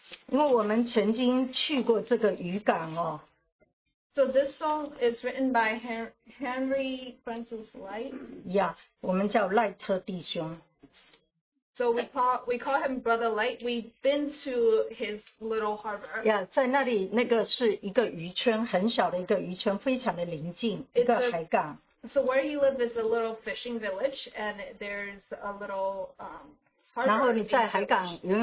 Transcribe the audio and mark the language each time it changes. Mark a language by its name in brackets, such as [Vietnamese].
[Chinese] 因为我们曾经去过这个渔港哦。 [English] So this song is written by Henry Francis Light. [Chinese] Yeah, 我们叫 Light弟兄. [English] So we call him Brother Light. We've been to his little harbor. [Chinese] Yeah, 在那里那个是一个渔村，很小的一个渔村，非常的宁静，一个海港. [English] So where he lives is a little fishing village, and there's a little harbor.